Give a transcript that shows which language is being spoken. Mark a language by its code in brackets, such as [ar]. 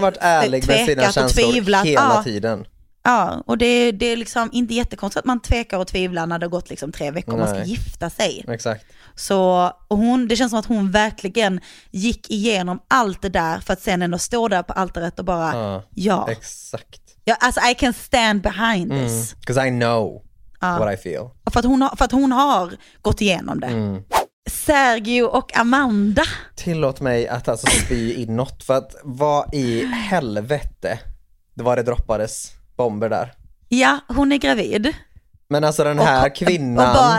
[sv] varit ärlig med sina känslor hela tiden. Ja, och det är liksom inte jättekonstigt att man tvekar och tvivlar när det har gått liksom 3 veckor och man ska gifta sig. Exakt. Så hon, det känns som att hon verkligen gick igenom allt det där för att sen ändå stå där på altaret och bara, exakt. Ja, alltså [en] I can stand behind this. Because I know what I feel. [sv] För att hon har gått igenom det. Mm. Sergio och Amanda. Tillåt mig att alltså spy inåt för att vad i helvete det var det droppades bomber där. Ja, hon är gravid. Men alltså den här kvinnan...